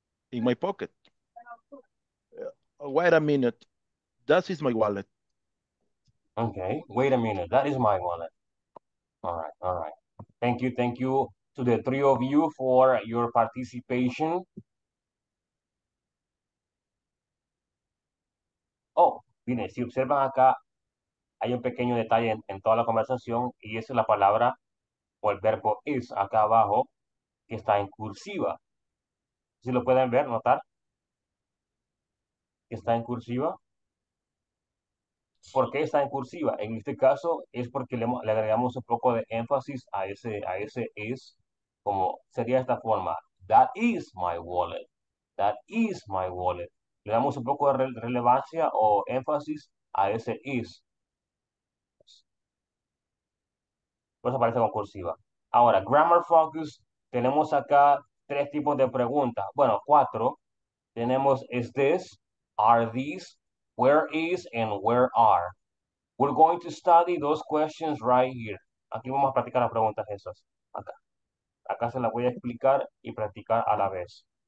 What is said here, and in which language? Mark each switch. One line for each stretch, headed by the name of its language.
English: In my pocket. Wait a minute. That is my wallet. Okay, wait a minute. That is my wallet. All right. Thank you to the three of you for your participation.
Spanish: Oh, bien, si observan acá, hay un pequeño detalle en toda la conversación y es la palabra o el verbo is acá abajo que está en cursiva. Si lo pueden ver, notar que está en cursiva. ¿Por qué está en cursiva? En este caso es porque le agregamos un poco de énfasis a ese is, como sería esta forma.
English: That is my wallet. That is my wallet.
Spanish: Le damos un poco de relevancia o énfasis a ese is. Pues aparece con cursiva. Ahora,
English: grammar focus.
Spanish: Tenemos acá tres tipos de preguntas. Bueno, cuatro. Tenemos
English: is this, are these, where is, and where are. We're going to study those questions right here.
Spanish: Aquí vamos a practicar las preguntas esas. Acá se las voy a explicar y practicar a la vez.